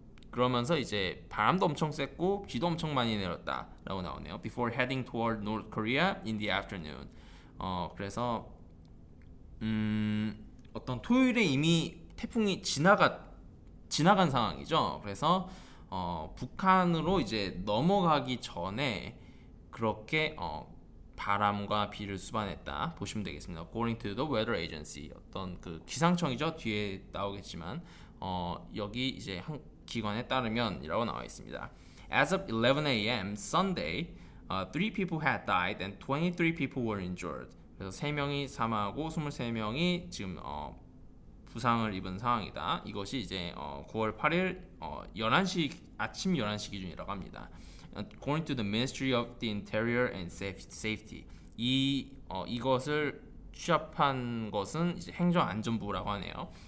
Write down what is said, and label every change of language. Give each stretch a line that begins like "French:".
Korean: 그러면서 이제 바람도 엄청 쐈고 비도 엄청 많이 내렸다라고 나오네요.
English: Before heading toward North Korea in the afternoon.
Korean: 그래서 어떤 토요일에 이미 태풍이 지나간 상황이죠. 그래서 북한으로 이제 넘어가기 전에 그렇게 바람과 비를 수반했다 보시면 되겠습니다.
English: According to the weather agency,
Korean: 어떤 그 기상청이죠. 뒤에 나오겠지만. 여기 이제 한 기관에 따르면이라고 나와 있습니다.
English: As of 11 a.m. Sunday, three people had died and 23 people were injured.
Korean: 그래서 세 명이 사망하고 23명이 지금 부상을 입은 상황이다. 이것이 이제 9월 8일 아침 11시 기준이라고 합니다.
English: According to the Ministry of the Interior and Safety,
Korean: 이것을 취합한 것은 이제 행정안전부라고 하네요.